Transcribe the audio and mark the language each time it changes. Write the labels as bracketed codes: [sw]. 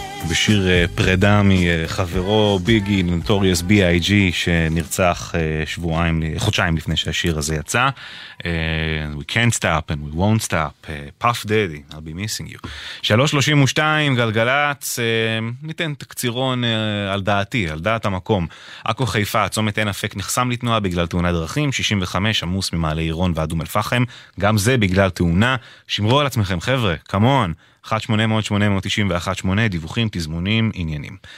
[he] בשיר פרידה מחברו ביגי, נוטוריוס בי-איי-ג'י, שנרצח שבועיים, חודשיים לפני שהשיר הזה יצא. [en] We can't stop and we won't stop. Puff Daddy, I'll be missing you. [he] 3:32, גלגלץ, ניתן תקצירון על דעתי, על דעת המקום. אקו חיפה, צומת אין אפק, נחסם לתנועה בגלל תאונה דרכים, 65, עמוס ממעלה עירון ועד אום אל-פחם, גם זה בגלל תאונה. שמרו על עצמכם, חבר'ה, [en] come on. [he] 1-800-891-8, דיווחים, תזמונים, עניינים.